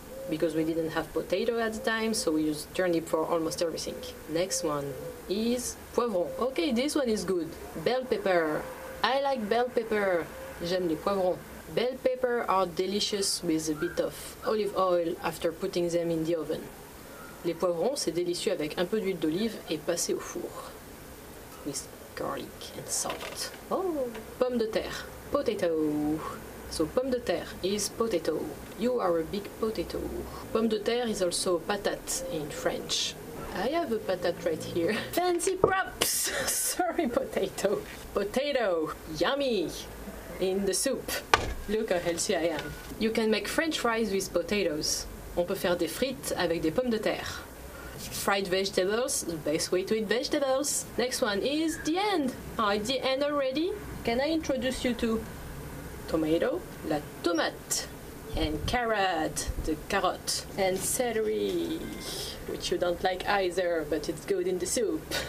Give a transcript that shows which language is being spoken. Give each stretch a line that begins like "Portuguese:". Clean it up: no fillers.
English: Because we didn't have potato at the time, so we used turnip for almost everything. Next one is poivron. Okay, this one is good. Bell pepper. I like bell pepper.
French: J'aime les poivrons.
English: Bell pepper are delicious with a bit of olive oil after putting them in the oven.
French: Les poivrons, c'est délicieux avec un peu d'huile d'olive et passé au four.
English: With garlic and salt. Oh! Pomme de terre. Potato. So, pomme de terre is potato. You are a big potato. Pomme de terre is also patate in French. I have a patate right here. Fancy props! Sorry, potato. Potato! Yummy! In the soup. Look how healthy I am. You can make French fries with potatoes.
French: On peut faire des frites avec des pommes de terre.
English: Fried vegetables, the best way to eat vegetables. Next one is the end. Oh, it's the end already? Can I introduce you to tomato, la tomate, and carrot, the carrot, and celery, which you don't like either, but it's good in the soup.